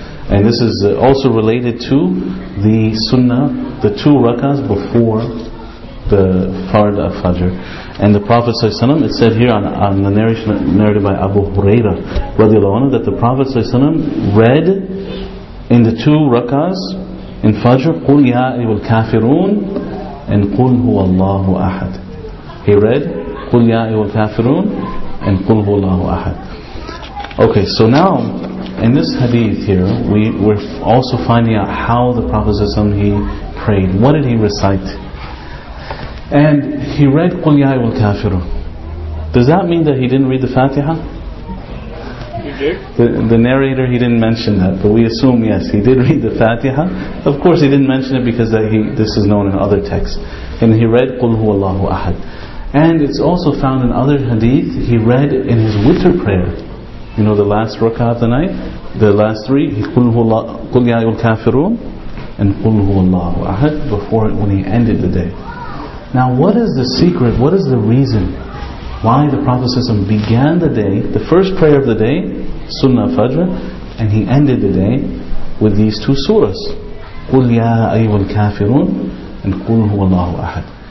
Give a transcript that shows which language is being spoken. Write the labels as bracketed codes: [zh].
[en] And this is also related to the sunnah, the two rak'ahs before the fard of Fajr. And the Prophet ﷺ, it said here on the narration narrated by Abu Huraira radiallahu anhu, that the Prophet ﷺ read in the two rak'ahs, In Fajr, [ar] قُلْ يَا أَيُّهَا الْكَافِرُونَ [en] and [ar] قُلْ هُوَ اللَّهُ أَحَد. [en] He read, [ar] قُلْ يَا أَيُّهَا الْكَافِرُونَ [en] and [ar] قُلْ هُوَ اللَّهُ أَحَد. [en] Okay, so now, in this hadith here, we're also finding out how the Prophet ﷺ, he prayed. What did he recite? And he read, [ar] قُلْ يَا أَيُّهَا الْكَافِرُونَ. [en] Does that mean that he didn't read the Fatiha? The narrator, he didn't mention that, but we assume yes, he did read the Fatiha. Of course, he didn't mention it because that he this is known in other texts. And he read [ar] قُلْ هُوَ اللَّهُ أَحَد. [en] And it's also found in other hadith. He read in his witr prayer, you know, the last rak'ah of the night, the last three, [ar] قُلْ يَا أَيُّهَا الْكَافِرُونَ [en] and [ar] قُلْ هُوَ اللَّهُ أَحَد [en] before when he ended the day. Now, what is the secret? What is the reason why the Prophet ﷺ began the day, the first prayer of the day, Sunnah Fajr, and he ended the day with these two surahs, [ar] قُلْ يَا أَيُّهَا الْكَافِرُونَ [en] and [ar] قُلْ هُوَ اللَّهُ أَحَدٌ.